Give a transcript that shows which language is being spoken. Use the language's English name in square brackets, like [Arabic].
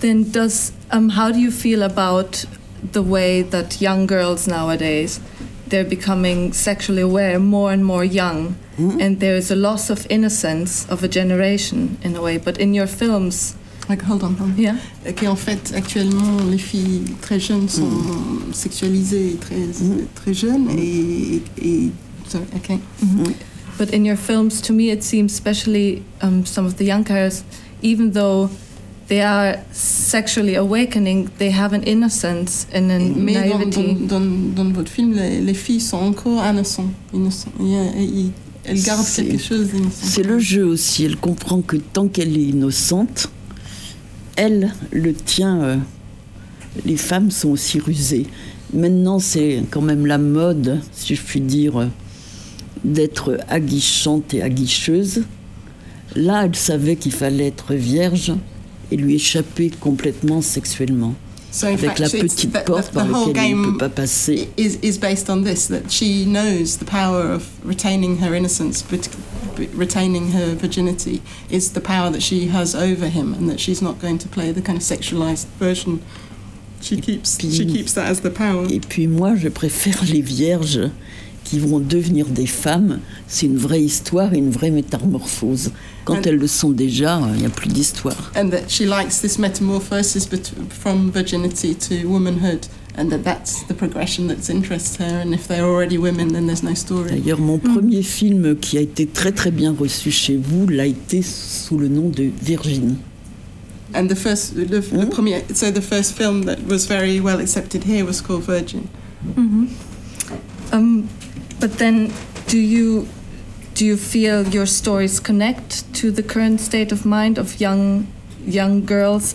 [English] Then does how do you feel about the way that young girls nowadays, they're becoming sexually aware more and more young, and there is a loss of innocence of a generation in a way. But in your films. Like, hold on. Yeah. [French] Qu'en fait, actuellement, les filles très jeunes sont sexualisées très jeunes et [English] sorry, okay. But in your films, to me, it seems especially some of the young girls, even though they are sexually awakening, they have an innocence and a naivety. [French] Mais dans votre film, les filles sont encore innocentes. Elles gardent quelque chose d'innocent. C'est le jeu aussi. Elle comprend que tant qu'elle est innocente, elle le tient. Les femmes sont aussi rusées. Maintenant, c'est quand même la mode, si je puis dire, d'être aguichante et aguicheuse. Là, elle savait qu'il fallait être vierge et lui échapper complètement sexuellement. [English] So [French] avec [English] fact, [French] la petite porte [English] the [French] par laquelle elle ne peut pas passer. [English] Is based on this, that she knows the power of retaining her innocence, but retaining her virginity is the power that she has over him, and that she's not going to play the kind of sexualized version. She keeps that as the power. [French] Et puis moi, je préfère les vierges qui vont devenir des femmes. C'est une vraie histoire, une vraie métamorphose. Quand elles le sont déjà, il n'y a plus d'histoire. [English] And that she likes this metamorphosis from virginity to womanhood. And that's the progression that interests her. And if they're already women, then there's no story. [French] D'ailleurs, mon premier film qui a été très très bien reçu chez vous l'a été sous le nom de Virginie. [English] And the first, [French] le premier, [English] so the first film that was very well accepted here was called Virgin. But then, do you feel your stories connect to the current state of mind of young girls?